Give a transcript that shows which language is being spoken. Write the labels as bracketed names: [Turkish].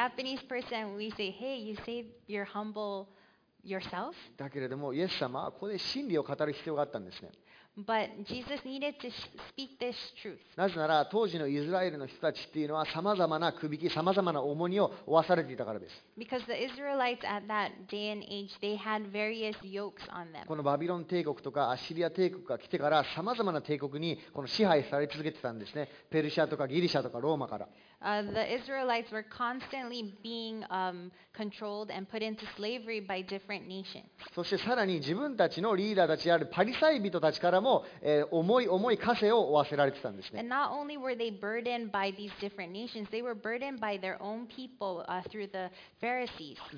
[English] As a Japanese person, we say, "Hey, you say you're humble yourself." [Japanese] だけれども、イエス様はここで真理を語る必要があったんですね。 [English] But Jesus needed to speak this truth. [Japanese] なぜなら当時のイスラエルの人たちっていうのはさまざまな首輝き、さまざまな重荷を負わされていたからです。 [English] Because the Israelites at that day and age, they had various yokes on them. [Japanese] このバビロン帝国とかアッシリア帝国が来てからさまざまな帝国にこの支配され続けてたんですね。ペルシアとかギリシャとかローマから。 [English] The Israelites were constantly being controlled and put into slavery by different nations. [Japanese] そしてさらに自分たちのリーダーたちであるパリサイ人たちからも、重い重い枷を負わせられてたんですね。 [English] And not only were they burdened by these different nations, they were burdened by their own people through the Pharisees.